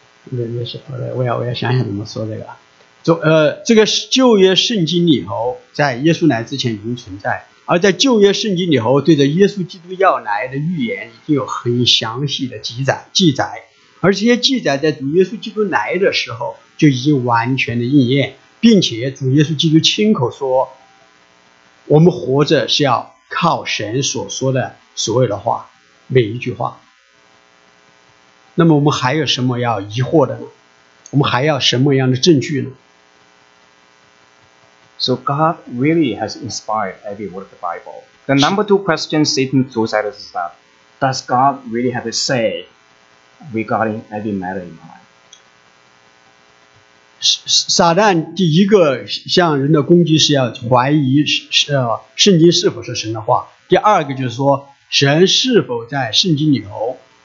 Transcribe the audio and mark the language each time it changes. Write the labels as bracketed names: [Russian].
[Chinese] 没事，好的，我要想想怎么说这个。这个旧约圣经里头在耶稣来之前已经存在，而在旧约圣经里头对着耶稣基督要来的预言已经有很详细的记载，而这些记载在主耶稣基督来的时候就已经完全的应验，并且主耶稣基督亲口说我们活着是要靠神所说的所有的话，每一句话。那么我们还有什么要疑惑的呢？我们还要什么样的证据呢？ [English] So God really has inspired every word of the Bible. The number two question Satan throws at us is that, does God really have a say regarding every matter in mind? [Chinese] 撒旦第一个向人的攻击是要怀疑圣经是否是神的话，第二个就是说神是否在圣经里头